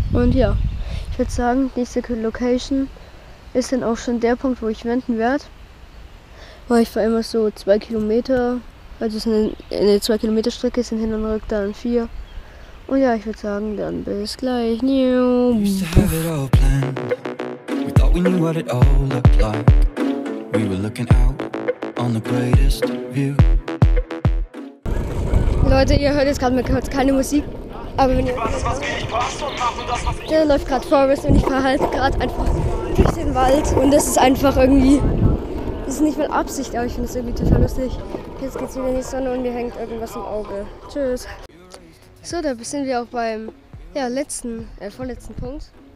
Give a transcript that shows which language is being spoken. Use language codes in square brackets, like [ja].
[de] Und ja, ich würde sagen, nächste Location ist dann auch schon der Punkt, wo ich wenden werde. Weil ich fahre immer so 2 Kilometer, also es ist eine 2 Kilometer Strecke, sind hin und rück, dann 4. Und ja, ich würde sagen, dann bis gleich. [en] New. We used to have it all planned. We thought we knew what it all looked like. We were looking out on the greatest view. [de] Leute, ihr hört jetzt gerade mal kurz keine Musik. Aber wenn ihr. Der läuft gerade Forest und ich fahre halt gerade einfach durch den Wald. Und das ist einfach irgendwie. Das ist nicht mal Absicht, aber ich finde es irgendwie total lustig. Jetzt geht's wieder in die Sonne und mir hängt irgendwas im Auge. Tschüss. So, da sind wir auch beim vorletzten Punkt.